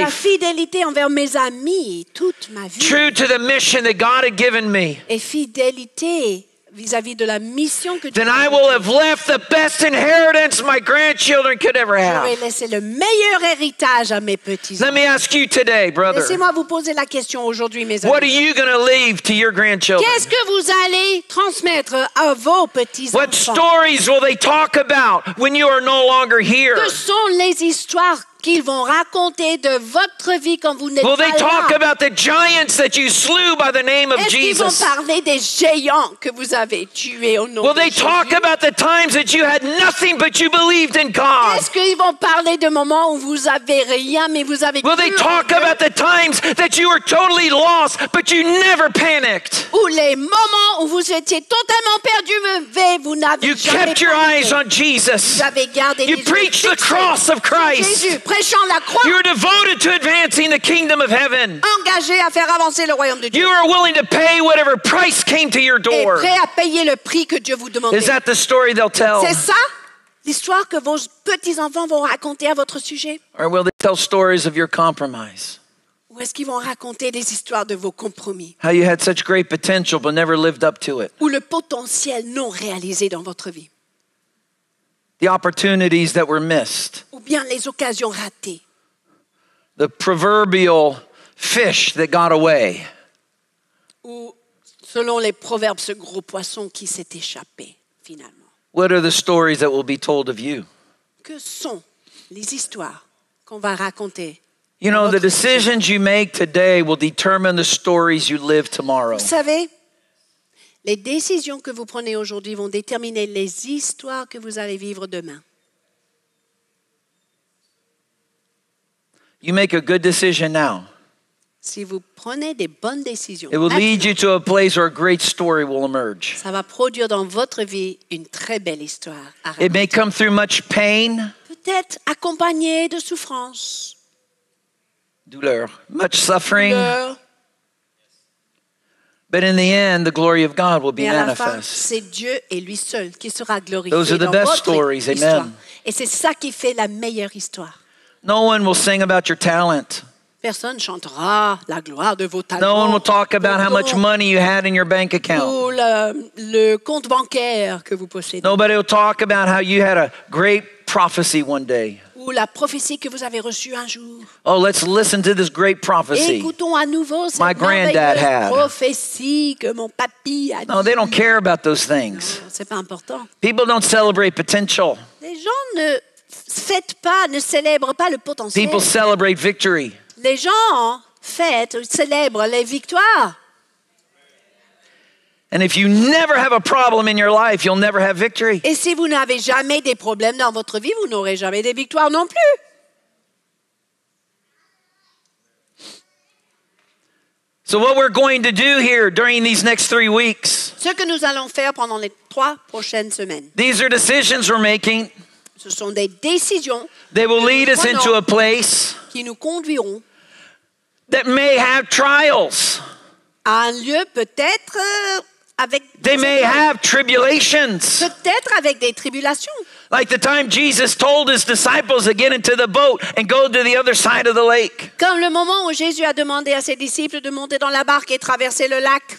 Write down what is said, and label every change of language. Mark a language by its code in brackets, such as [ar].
[fr] de la fidélité envers mes amis toute ma vie, [en] true to the mission that God had given me, [fr] et fidélité vis-à-vis de la mission que [en] then I will have left the best inheritance my grandchildren could ever have. [fr] Je vais laisser le meilleur héritage à mes petits. [en] Let me ask you today, brother. [fr] Laissez-moi vous poser la question aujourd'hui, mes amis. [en] What are you going to leave to your grandchildren? [fr] Qu'est-ce que vous allez transmettre à vos petits-enfants? [en] What stories will they talk about when you are no longer here? [fr] Que sont les histoires qu'ils vont raconter de votre vie quand vous n'êtes pas là. [en] Will they talk about the giants that you slew by the name of Jesus? [fr] Est-ce qu'ils vont parler des géants que vous avez tués au nom de Jésus? [en] Will they talk about the times that you had nothing but you believed in God? [fr] Est-ce qu'ils vont parler de moments où vous avez rien mais vous avez cru? [en] Will they talk about the times that you were totally lost but you never panicked? [fr] Ou les moments où vous étiez totalement perdu mais vous n'avez jamais paniqué? [en] You kept your eyes on Jesus. [fr] Vous avez gardé les yeux fixés sur Jésus. [en] Of Christ. You are devoted to advancing the kingdom of heaven. [fr] Engagé à faire avancer le royaume de Dieu. [en] You are willing to pay whatever price came to your door. [fr] Et prêt à payer le prix que Dieu vous demandait. [en] Is that the story they'll tell? [fr] C'est ça l'histoire que vos petits-enfants vont raconter à votre sujet? [en] Or will they tell stories of your compromise? [fr] Ou est-ce qu'ils vont raconter des histoires de vos compromis? [en] How you had such great potential but never lived up to it. [fr] Ou le potentiel non réalisé dans votre vie. [en] The opportunities that were missed. [fr] Ou bien les occasions ratées. [en] The proverbial fish that got away. [fr] Ou selon les proverbes, ce gros poisson qui s'est échappé finalement. [en] What are the stories that will be told of you? [fr] Que sont les histoires qu'on va raconter? [en] You know, the decisions you make today will determine the stories you live tomorrow. [fr] Vous savez, les décisions que vous prenez aujourd'hui vont déterminer les histoires que vous allez vivre demain. [en] You make a good decision now. [fr] Si vous prenez des bonnes décisions, [en] it will lead you to a place where a great story will emerge. [fr] Ça va produire dans votre vie une très belle histoire. [en] It may come through much pain. [fr] Peut-être accompagné de souffrance. Douleur. [en] Much suffering. [fr] Douleur. [en] But in the end, the glory of God will be [fr] mais à la [en] manifest. [fr] Fin, c'est Dieu et lui seul qui sera glorifié. [en] Those are the best stories, amen. [fr] Et c'est ça qui fait la meilleure histoire. [en] No one will sing about your talent. [fr] Personne chantera la gloire de vos talents. [en] No one will talk about how much money you had in your bank account. [fr] Ou le compte bancaire que vous possédez. [en] Nobody will talk about how you had a great prophecy one day. [fr] Ou la prophétie que vous avez reçue un jour. [en] Oh, let's listen to this great prophecy. [fr] Écoutons à nouveau cette merveilleuse prophétie que mon papy a dit. [en] No, they don't care about those things. [fr] Non, c'est pas important. [en] People don't celebrate potential. [fr] Les gens ne fêtent pas, ne célèbrent pas le potentiel. [en] People celebrate victory. [fr] Les gens fêtent, célèbrent les victoires. [en] And if you never have a problem in your life, you'll never have victory. [fr] Et si vous n'avez jamais des problèmes dans votre vie, vous n'aurez jamais des victoires non plus. [en] So what we're going to do here during these next 3 weeks? [fr] Ce que nous allons faire pendant les 3 prochaines semaines. [en] These are decisions we're making. [fr] Ce sont des décisions. [en] They will lead us into a place [fr] qui nous conduiront [en] that may have trials. [fr] À un lieu peut-être avec [en] they may have tribulations. [fr] Peut-être avec des tribulations. [en] Like the time Jesus told his disciples to get into the boat and go to the other side of the lake. [fr] Comme le moment où Jésus a demandé à ses disciples de monter dans la barque et traverser le lac.